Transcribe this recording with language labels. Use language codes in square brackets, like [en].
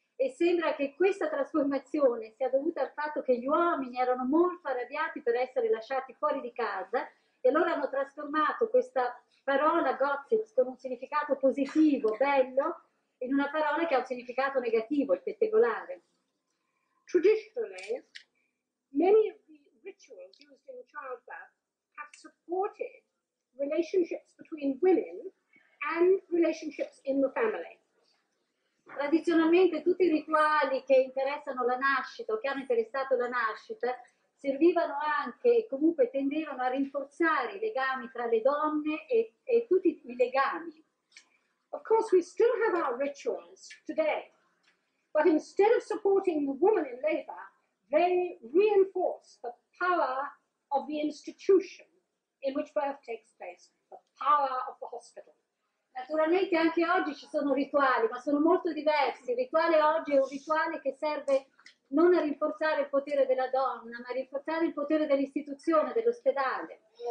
[it] E sembra che questa trasformazione sia dovuta al fatto che gli uomini erano molto arrabbiati per essere lasciati fuori di casa e allora hanno trasformato questa parola gossips con un significato positivo, bello, in una parola che ha un significato negativo, il pettegolare. [en] Traditionally, many of the rituals used in childbirth have supported relationships between women and relationships in the family. [it] Tradizionalmente tutti i rituali che interessano la nascita o che hanno interessato la nascita servivano anche e comunque tendevano a rinforzare i legami tra le donne e tutti i legami. [en] Of course we still have our rituals today, but instead of supporting the woman in labor, they reinforce the power of the institution in which birth takes place, the power of the hospital. [it] Naturalmente anche oggi ci sono rituali, ma sono molto diversi. Il rituale oggi è un rituale che serve non a rinforzare il potere della donna, ma a rinforzare il potere dell'istituzione, dell'ospedale.